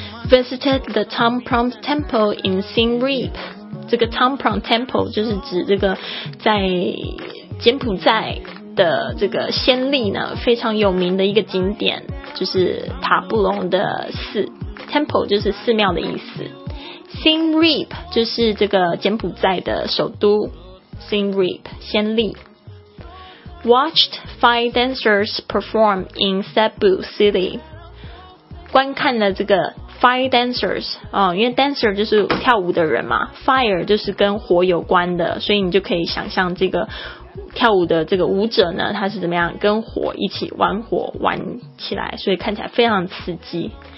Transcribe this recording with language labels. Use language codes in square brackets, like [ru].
[en] Visited the Tom Prom Temple in Siem Reap. [zh] 这个 Tom Prom Temple 就是指这个在柬埔寨的这个暹粒呢非常有名的一个景点，就是塔布隆的寺 Temple 就是寺庙的意思。 Siem Reap 就是这个柬埔寨的首都 Siem Reap 暹粒。 [en] Watched five dancers perform in Cebu City. [zh] 观看了这个Fire dancers,因为 dancer 就是跳舞的人嘛， fire 就是跟火有关的，所以你就可以想象这个跳舞的这个舞者呢，他是怎么样跟火一起玩火玩起来，所以看起来非常刺激。